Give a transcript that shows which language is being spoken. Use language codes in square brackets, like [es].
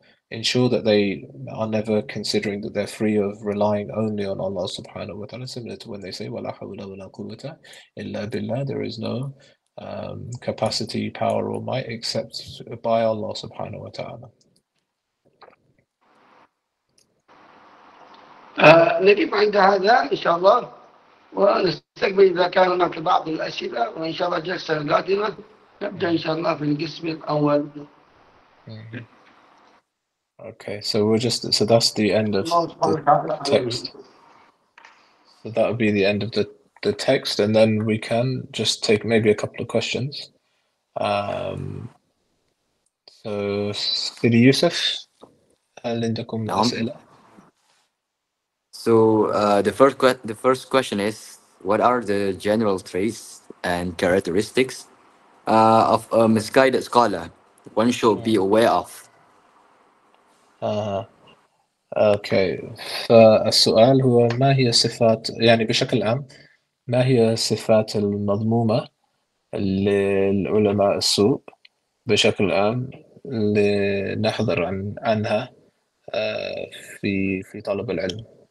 [en] ensure that they are never considering that they're free of relying only on Allah subhanahu wa ta'ala, similar to when they say wala hawla wala quwwata illa billah, there is no capacity, power or might except by Allah subhanahu wa ta'ala. [ar] نقف عند هذا إن شاء الله، ونستقبل إذا كان هناك بعض الأسئلة، وإن شاء الله الجلسة القادمة نبدأ إن شاء الله في القسم الأول. [en] Okay, so we're just so that's the end of the text. So that would be the end of the text, and then we can just take maybe a couple of questions. So Sidi Yusuf, [ar] هل عندكم نعم. أسئلة؟ [en] So the first question is, what are the general traits and characteristics of a misguided scholar one should be aware of? [ar] أوكي، فالسؤال هو ما هي صفات، يعني بشكل عام، ما هي الصفات المضمومة للعلماء السوء بشكل عام لنحذر عنها في طلب العلم؟